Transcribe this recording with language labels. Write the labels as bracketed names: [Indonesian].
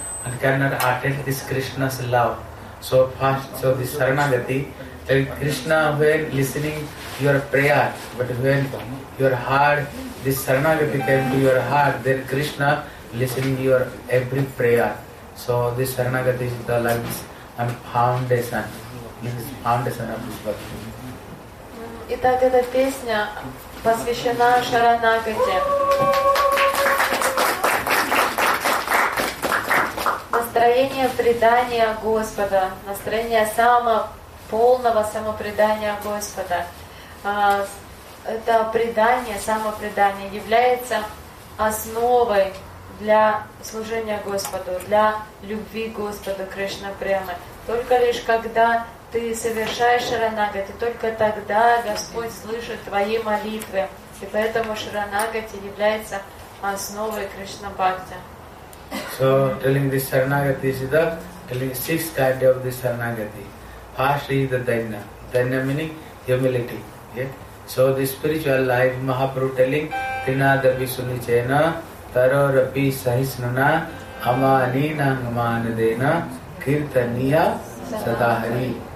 [English] And cannot attend this Krishna's love. So fast, so this saranagati, then Krishna when listening your prayer, but when your heart, this saranagati came to your heart, then Krishna listening your every prayer. So this saranagati is the lungs and foundation. This is foundation of this bhakti. [Russian] Итак, эта песня посвящена Шаранагати. настроение предания Господа, настроение самополного самопредания Господа. Это предание, самопредание является основой для служения Господу, для любви Господу Кришна Према. Только лишь когда ты совершаешь шаранагати, только тогда Господь слышит твои молитвы. И поэтому шаранагати является основой Кришна Бхакти. [English] So telling this sharanagati is the telling sixth kind of this sharanagati. First is the dhanna. Dhanna meaning humility. Yeah? So the spiritual life, Mahaprabhu telling, [Sanskrit] Trinada Visunichena, Taro Rabbi Sahisnana, Amani Nangamanadena, Kirtaniya Sadahari.